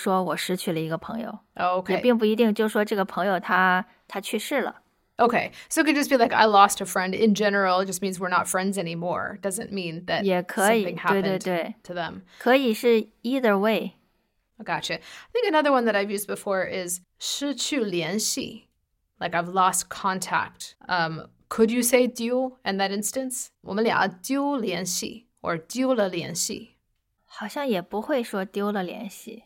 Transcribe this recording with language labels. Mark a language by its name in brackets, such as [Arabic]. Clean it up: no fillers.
[Chinese] 但是失去一个朋友也不一定就是说这个朋友一定就是说去世了。如果说一个朋友去世了，你可以说我失去了一个朋友，我永远失去了一个朋友。但是如果像朋友的话，比如说你们不再是朋友了，就很有可能你也可以说我失去了一个朋友。 [English] Okay. [Chinese] 也并不一定就是说这个朋友他去世了。Okay, [English] so it could just be like, I lost a friend in general, just means we're not friends anymore. Doesn't mean that [Chinese] 也可以, [English] something happened [Chinese] 对对对, [English] to them. [Chinese] 可以是 [English] either way. Gotcha. I think another one that I've used before is 失去联系, like I've lost contact. Could you say 丢 in that instance? [Chinese] 我们俩丢联系, or 丢了联系. 好像也不会说丢了联系。